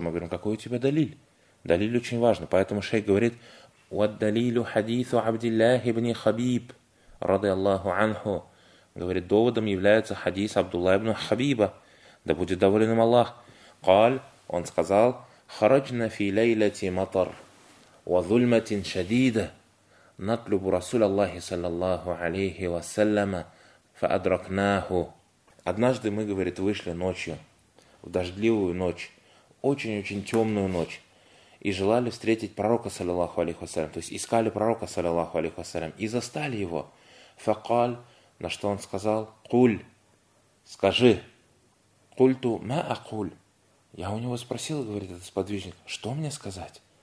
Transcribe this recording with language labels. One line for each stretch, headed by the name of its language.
Russian: Мы говорим, какой у тебя далиль? Далиль очень важен. Поэтому шейх говорит,
Arabic: «Уаддалилю хадису Абдиллахи ибн Хабиб, рады Аллаху анху».
Russian: Говорит, доводом является хадис Абдуллах ибн Хабиба, да будет доволен им Аллах. «Каль», он сказал,
Arabic: خرجنا في ليلة مطر وظلمة شديدة نطلب رسول الله صلى الله عليه وسلم فأدركناه.
Russian: Однажды мы, говорит, вышли ночью, в дождливую ночь, очень-очень темную ночь, и желали встретить пророка, саллиллаху алейхи вассалям, то есть искали пророка, саллиллаху алейхи вассалям, и застали его. Факаль, на что он сказал, куль, скажи,
Arabic: культу ма акуль.
Russian: Я у него спросил, говорит этот сподвижник, что мне сказать?